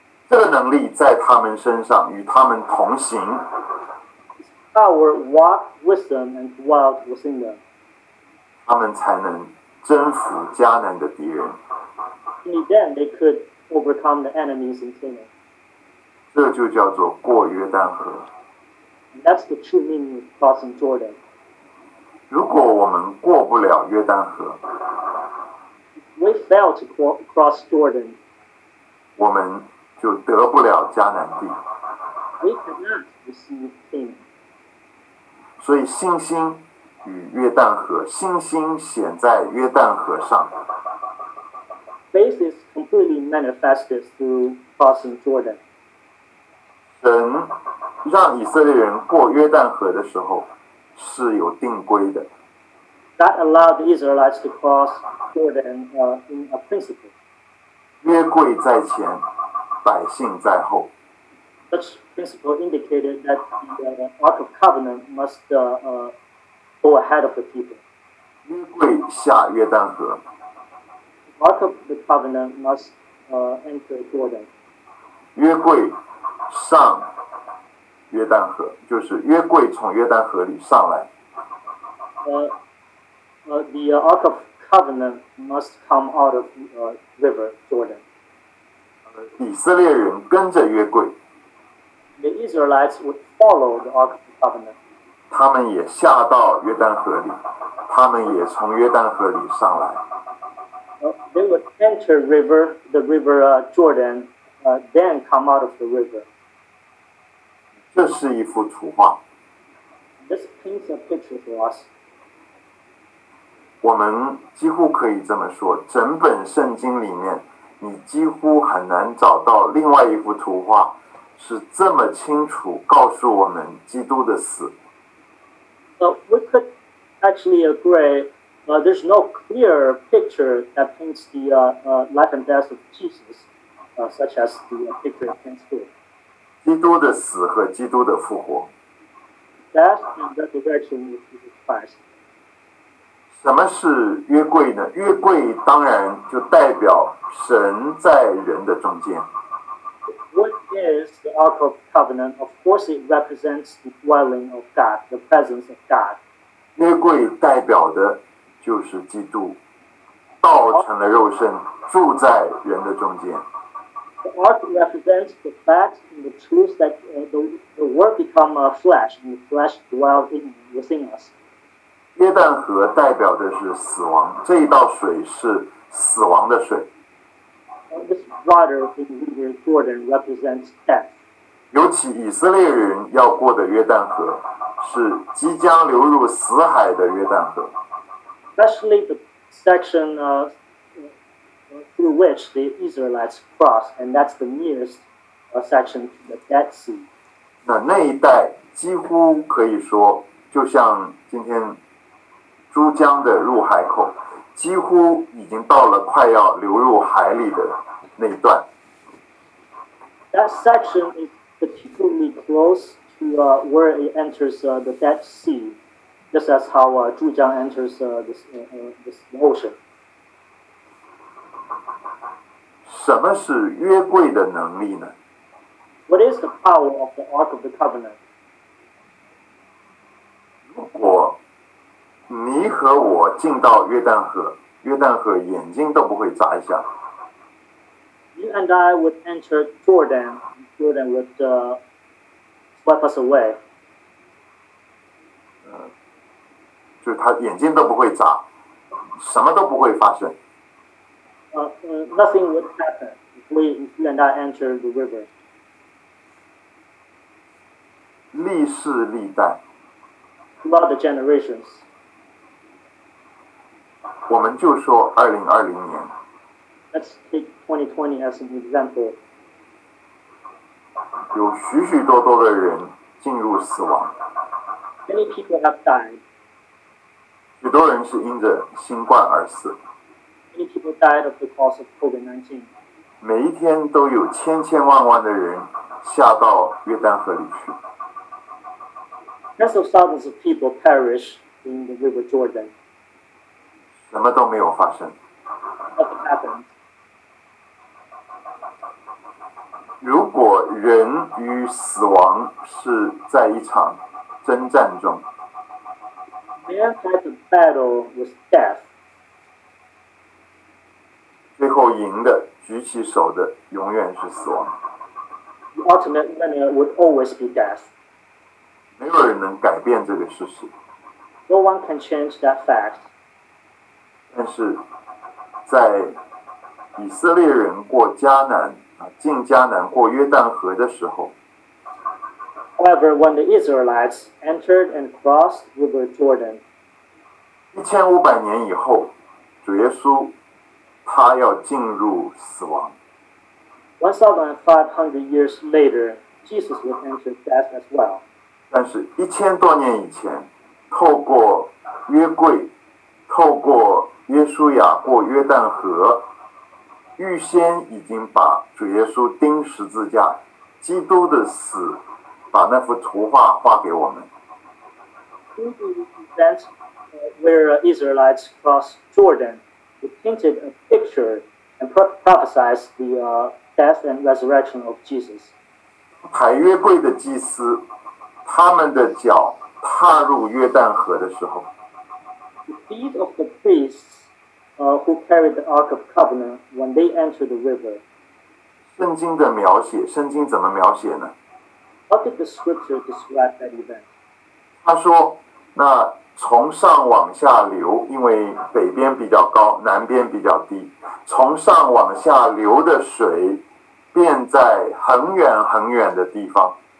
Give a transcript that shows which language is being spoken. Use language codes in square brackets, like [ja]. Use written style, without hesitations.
[zh] 这个能力在他们身上与他们同行。 [en] This power walked with them and dwelt within them。 [zh] 他们才能征服迦南的敌人。 [en] Only then they could overcome the enemies in Canaan。 [zh] 这就叫做过约旦河。 [en] That's the true meaning of crossing Jordan. [zh] 如果我们过不了约旦河 [en] ，We fail to cross Jordan. [zh] 我们就得不了迦南地。 [en] We cannot receive him. [zh] 所以信心与约旦河，信心显在约旦河上。 [en] Faith is completely manifested through crossing Jordan. [zh] 神让以色列人过约旦河的时候是有定规的。 [en] That allowed the Israelites to cross Jordan in a principle. [zh] 约柜在前，百姓在后。 [en] Such principle indicated that the Ark of Covenant must go ahead of the people. [zh] 约柜下约旦河。 [en] Ark of the Covenant must enter Jordan. [zh] 约柜上约旦河，就是约柜从约旦河里上来。 [en] The Ark of Covenant must come out of the river Jordan. [zh] 以色列人跟着约柜。 [en] The Israelites would follow the Ark of the Covenant. [zh] 他们也下到约旦河里，他们也从约旦河里上来。 [en] They would enter the river Jordan, then come out of the river. [zh] 这是一幅图画。 [en] This paints a picture for us. [zh] 我们几乎可以这么说，整本圣经里面，你几乎很难找到另外一幅图画，是这么清楚告诉我们基督的死。 [en] So we could actually agree. There's no clear picture that paints the life and death of Jesus, such as the picture it paints here. [zh] 基督的死和基督的复活。 [en] Death and resurrection of Jesus Christ. [zh] 什么是约柜呢？约柜当然就代表神在人的中间。 [en] What is the Ark of Covenant? Of course, it represents the dwelling of God, the presence of God. [zh] 约柜代表的就是基督道成了肉身，住在人的中间。 [en] The Ark represents the fact and the truth that the Word become a flesh, and the flesh dwells within us. [zh] 约旦河代表的是死亡，这一道水是死亡的水。 [en] This water in the River Jordan represents death. [zh] 尤其以色列人要过的约旦河，是即将流入死海的约旦河。 [en] Especially the section through which the Israelites cross, and that's the nearest section to the Dead Sea. [zh] 那一带几乎可以说，就像今天珠江的入海口，几乎已经到了快要流入海里的那一段。 [en] That section is particularly close to where it enters the Dead Sea. Just as how Zhujiang enters this ocean. [zh] 什么是约柜的能力呢？ [en] What is the power of the Ark of the Covenant? [zh] 如果你和我进到约旦河，约旦河眼睛都不会眨一下。 [en] You and I would enter Jordan, Jordan would swipe us away. [zh] 就是他眼睛都不会眨，什么都不会发生。 [en] Nothing would happen if we and I enter the river. [zh] 历世历代 [en] ，throughout the generations， [zh] 我们就说2020年。 [en] Let's take 2020 as an example. [zh] 有许许多多的人进入死亡。 [en] Many people have died. [zh] 许多人是因着新冠而死。 [en] Many people died of the cause of COVID-19. [zh] 每一天都有千千万万的人下到约旦河里去。 [en] Tens of thousands of people perish in the River Jordan. [zh] 什么都没有发生。 [en] Nothing happened. [zh] 如果人与死亡是在一场征战中。 [en] Man fought a battle with death. [zh] 最后赢的、举起手的，永远是死亡。 [en] The ultimate winner would always be death. [zh] 没有人能改变这个事实。 [en] No one can change that fact. [zh] 但是，在以色列人过迦南进迦南过约旦河的时候。 [en] However, when the Israelites entered and crossed River Jordan, [zh] 1500年以后，主耶稣他要进入死亡。 [en] 1500 years later, Jesus would enter death as well. [zh] 但是一千多年以前，透过约柜，透过约书亚过约旦河，预先已经把主耶稣钉十字架，基督的死。把那幅图画画给我们。 [en] In the event where Israelites crossed Jordan, he painted a picture and prophesized the death and resurrection of Jesus. [zh] 抬约柜的祭司，他们的脚踏入约旦河的时候。 [en] The feet of the priests who carried the Ark of Covenant when they entered the river. [zh] 圣经的描写，圣经怎么描写呢？ [en] How did the scripture describe that event? [zh] 他说，那从上往下流，因为北边比较高，南边比较低，从上往下流的水，便在很远很远的地方。